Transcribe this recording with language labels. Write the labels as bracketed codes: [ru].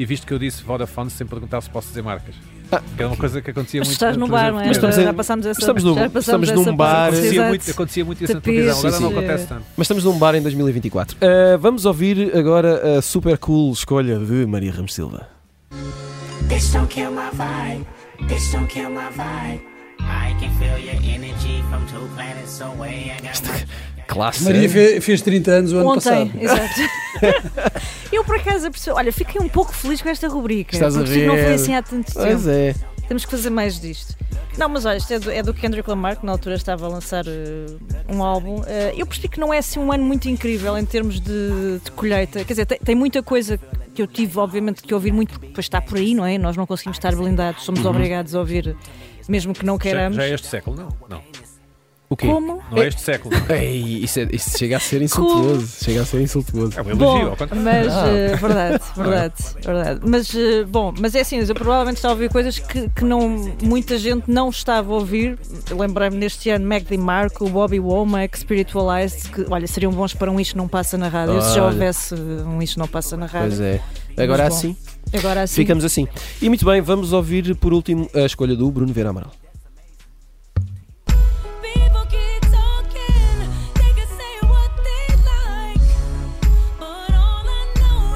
[pt] E visto que eu disse Vodafone, sem perguntar se posso dizer marcas. Que é uma coisa que acontecia muito. Estás num bar, não é? Estamos num bar. Acontecia muito isso na televisão, agora não acontece tanto. Mas estamos num bar em 2024. Vamos ouvir agora a [en] super cool [pt] escolha de Maria Ramos Silva. [en] This don't kill my vibe. This don't kill my vibe. I can feel your energy from two planets away. [pt] Classe. Maria fez 30 anos o ontem, ano passado. Exato. Eu, por acaso, olha, fiquei um pouco feliz com esta rubrica. Estás a ver? Porque não foi assim há tanto tempo. Pois é. Temos que fazer mais disto. Não, mas olha, isto é do Kendrick Lamar, que na altura estava a lançar um álbum. Eu percebi que não é assim um ano muito incrível em termos de colheita. Quer dizer, tem muita coisa que eu tive, obviamente, que ouvir muito, pois está por aí, não é? Nós não conseguimos estar blindados, somos uhum. obrigados a ouvir, mesmo que não queiramos. Já é este século, não? Não. O quê? Como? Não é este século. Ei, isso chega a ser insultuoso. Como? Chega a ser insultuoso. É um elogio, bom, ao contrário. Mas, verdade. Mas, bom, mas é assim, eu provavelmente estava a ouvir coisas que não, muita gente não estava a ouvir. Eu lembrei-me neste ano, Mac DeMarco, Bobby Womack, Spiritualized, que, olha, seriam bons para um Isto Não Passa na Rádio. Se já houvesse um Isto Não Passa na Rádio. Pois é. Agora mas, assim. Bom, agora assim. Ficamos assim. E muito bem, vamos ouvir por último a escolha do Bruno Vieira Amaral. [en] Talking, they can say what they like, but all I know.